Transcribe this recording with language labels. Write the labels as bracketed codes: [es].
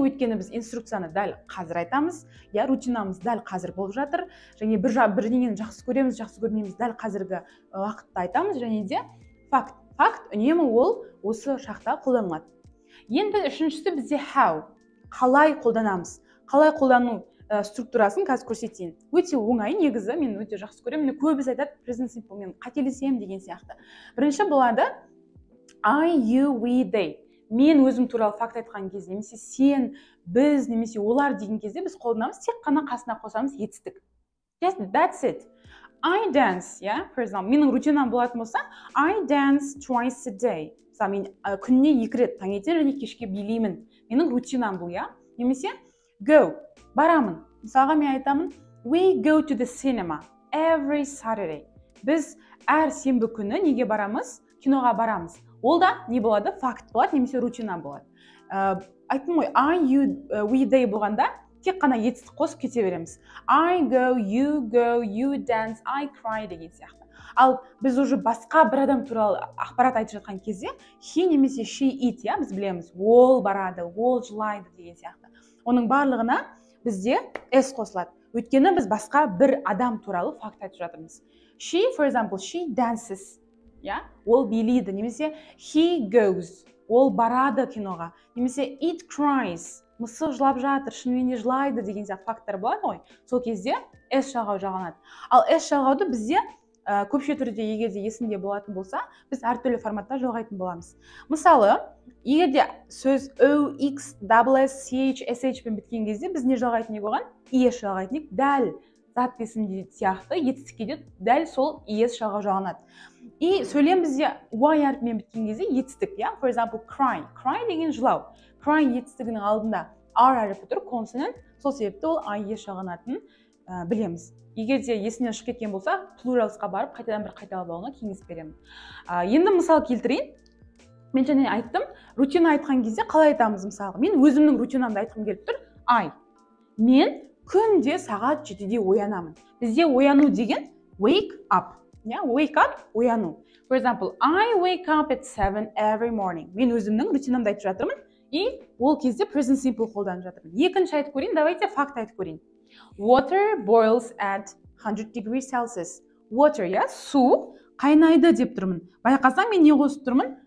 [kk] Өйткені біз инструкцияны дәл қазір айтамыз, иә, рутинамыз дәл қазір болып жатыр, және бір неңені жақсы көреміз, жақсы көрмейміз дәл қазіргі уақытта айтамыз, және де факт. Факт үнемі ол осы шақта қолданылады. Енді үшіншісі бізде how. Қалай қолданамыз? Қалай қолдану структурасын қазір көрсетейін. Өте оңай негізі, мен өте жақсы көремін. Көбісі айтады, present simple мен қателесем деген сияқты. Бірінші болады I, you, we, they. Мен өзім туралы факт айтқан кезде, немесе сен, біз, немесе олар деген кезде біз қолданамыз, тек қана қасына қосамыз етістік. [en] Just that's it. I dance, yeah, for example. [kk] Менің рутинам болатын болса, [en] I dance twice a day. [kk] Мысалы, мен күніне 2 рет таңертең және кешке билеймін. Менің рутинам бұл, иә? Немесе go. Барамын. Мысалға мен айтамын, [en] we go to the cinema every Saturday. [kk] Біз әр сенбі күні неге барамыз? Киноға барамыз. Ол да не болады? Факт болады, немесе рутина болады. Айттым ғой, I, you, we, they болғанда тек қана етістік қосып кете береміз. [en] I go, you go, you dance, I cry [kk] деген сияқты. Ал біз уже басқа бір адам туралы ақпарат айтып жатқан кезде he немесе she eat, иә, біз білеміз. Ол барады, ол жылайды деген сияқты. Оның барлығына бізде S қосылады. Өйткені біз басқа бір адам туралы факт айтып жатырмыз. [en] She, for example, she dances. [kk] Yeah? Ол билейді. [en] Немесе, he goes. [kk] Ол барады киноға. [en] Немесе, it cries. [kk] Мысық жылап жатыр, шынымен жылайды деген сияқты факттар болады ғой. Сол кезде S жалғау жалғанады. Ал S жалғауды бізде көпше түрде, егер де есімде болатын болса, біз әртүрлі форматта жалғайтын боламыз. Мысалы, егер де сөз O, X, S, C, H, S, H пен біткен кезде, біз не жалғайтын ек оған? ES жалғайтын ек. Дәл зат есімде сияқты, етістікке де дәл сол ES жалға жалғанады. И сөйлем бізде Y әрпімен біткен кезде етістік, иә? [en] For example, cry. [kk] Cry деген жылау. Cry етістігінің алдында R әрпі тұр, consonant. Сол себепті ол I, ES жалғанатын білеміз. Егер де есінен шығып кеткен болса, плуралсқа барып, қайтадан бір қайталап алуына кеңес беремін. Енді мысал келтірейін. Мен және айттым, рутина айтқан кезде қалай айтамыз мысалы? Мен өзімнің рутинамды айтқым келіп тұр. [en] I. [kk] Мен күнде сағат 7-де оянамын. Бізде ояну деген wake up. [en] Yeah, wake up, ояну. For example, I wake up at 7 every morning. [kk] Мен өзімнің рутинамды айтып жатырмын. И ол кезде present simple қолданып жатырмын. Екінші айтып көрейін, давайте факт айтып көрейін. [en] Water boils at 100 degrees Celsius. [kk] Water, yeah, су қайнайды деп тұрмын. Байқасаң, мен не қосып тұрмын?